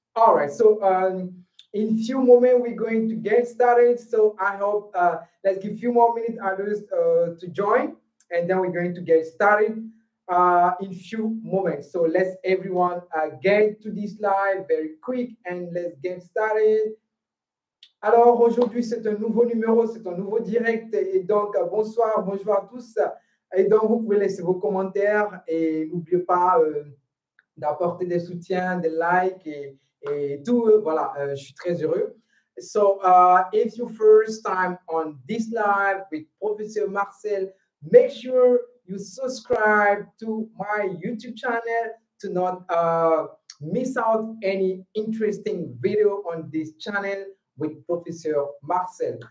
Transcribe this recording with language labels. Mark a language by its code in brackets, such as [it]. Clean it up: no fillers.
[en] All right, so in a few moments, we're going to get started. So I hope, let's give a few more minutes others to join and then we're going to get started in a few moments. So let's everyone get to this live very quick and let's get started. [fr] Alors, aujourd'hui, c'est un nouveau numéro, c'est un nouveau direct. Et donc, bonsoir, bonjour à tous. Et donc, vous pouvez laisser vos commentaires et n'oubliez pas d'apporter des soutiens, des likes et tout. Voilà, je suis très heureux. [en] So, if you first time on this live with Professor Marcel, make sure you subscribe to my YouTube channel to not miss out any interesting video on this channel with Professor Marcel.